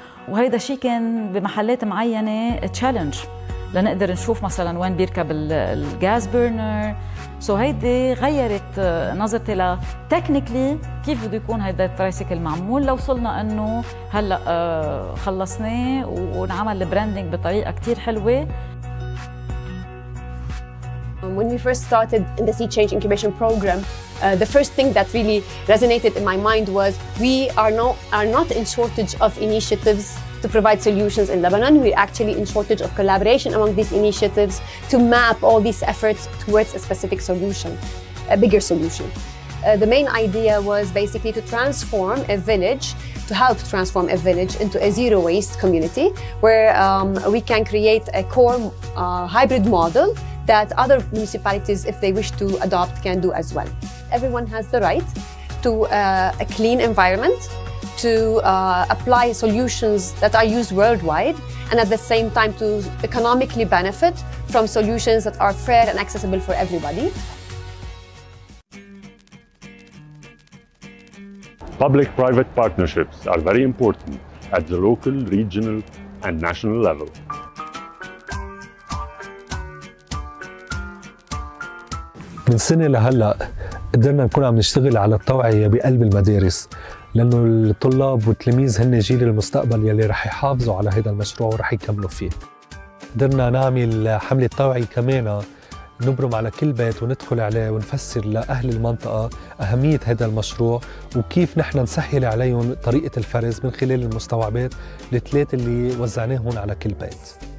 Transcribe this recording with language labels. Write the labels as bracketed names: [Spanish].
[Arabic] وهيدا شيء كان بمحلات معينة تشالنج لنقدر نشوف مثلا وين بيركب الغاز بيرنر. سو هيدي غيرت نظرتي لتكنيكلي كيف بده يكون هيدا الترايسيكل معمول لو وصلنا انه هلا خلصناه ونعمل البراندنج بطريقة كتير حلوة. [English] When we first started in the Sea Change Incubation Program, the first thing that really resonated in my mind was we are not in shortage of initiatives to provide solutions in Lebanon. We're actually in shortage of collaboration among these initiatives to map all these efforts towards a specific solution, a bigger solution. The main idea was basically to transform a village, to help transform a village into a zero waste community where we can create a core hybrid model that other municipalities, if they wish to adopt, can do as well. Everyone has the right to a clean environment, to apply solutions that are used worldwide, and at the same time to economically benefit from solutions that are fair and accessible for everybody. Public-private partnerships are very important at the local, regional, and national level. [Arabic] من سنة لهلأ قدرنا نكون عم نشتغل على التوعية بقلب المدارس، لأنه الطلاب والتلاميذ هن جيل المستقبل يلي رح يحافظوا على هذا المشروع ورح يكملوا فيه. قدرنا نعمل حملة توعية كمان، نبرم على كل بيت وندخل عليه ونفسر لأهل المنطقة أهمية هذا المشروع وكيف نحن نسهل عليهم طريقة الفرز من خلال المستوعبات الثلاث اللي وزعناهم على كل بيت.